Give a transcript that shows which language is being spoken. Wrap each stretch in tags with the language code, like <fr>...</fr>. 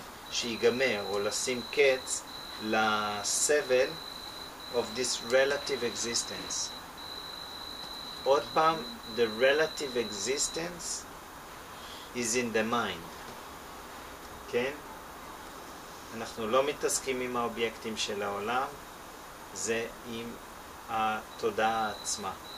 <he>שיגמר, או לשים קץ לסבל</he> <en>of this relative existence.</en> <he>עוד פעם,</he> <en>the relative existence is in the mind.</en> <he>כן? אנחנו לא מתעסקים עם האובייקטים של העולם, זה עם התודעה עצמה.</he>